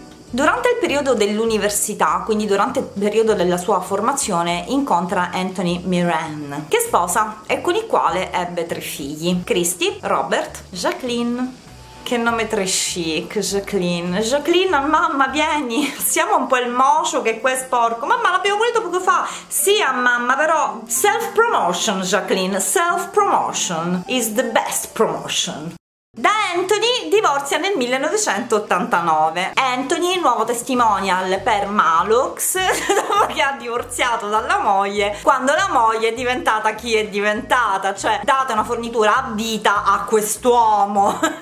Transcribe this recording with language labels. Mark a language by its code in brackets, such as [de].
[it] Durante il periodo dell'università, quindi durante il periodo della sua formazione, incontra Anthony Miran, che sposa e con il quale ebbe 3 figli: Christy, Robert, Jacqueline. Che nome tre chic, Jacqueline. Jacqueline, mamma, vieni. Siamo un po' il mocio che qua è sporco. Mamma, l'abbiamo pulito poco fa. Sì, mamma, però self-promotion, Jacqueline. [en] Self-promotion is the best promotion. [it] Da Anthony divorzia nel 1989. Anthony, nuovo testimonial per Malux, dopo che ha divorziato dalla moglie, quando la moglie è diventata chi è diventata, cioè data una fornitura a vita a quest'uomo.